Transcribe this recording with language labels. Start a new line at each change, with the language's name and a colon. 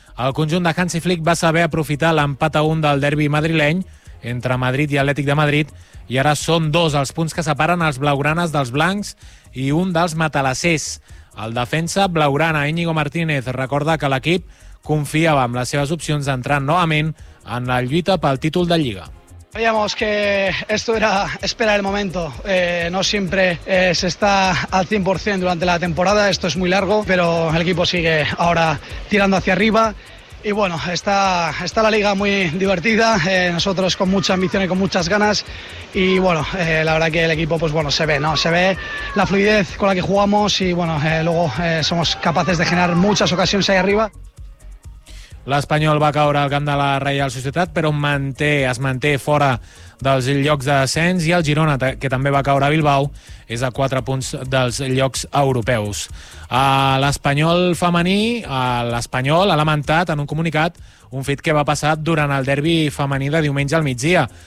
Catalan: El conjunt de Hansi Flick va saber aprofitar l'empat a 1 del derbi madrileny entre Madrid i Atlètic de Madrid i ara són 2 els punts que separen els blaugranes dels blancs i un dels matalassers. El defensa blaugrana Íñigo Martínez recorda que l'equip confiava en les seves opcions d'entrar novament en la lluita pel títol de Lliga.
Spanish: Sabíamos que esto era esperar el momento. No siempre se está al 100% durante la temporada, esto es muy largo, pero el equipo sigue ahora tirando hacia arriba y bueno, está la liga muy divertida, nosotros con mucha ambición y con muchas ganas, y bueno, la verdad que el equipo, pues bueno, se ve, ¿no? Se ve la fluidez con la que jugamos y bueno, luego somos capaces de generar muchas ocasiones ahí arriba.
Catalan: L'Espanyol va caure al camp de la Reial Societat, però es manté fora dels llocs d'ascens, i el Girona, que també va caure a Bilbao, és a 4 punts dels llocs europeus. L'Espanyol femení, l'Espanyol ha lamentat en un comunicat un fet que va passar durant el derbi femení de diumenge al migdia.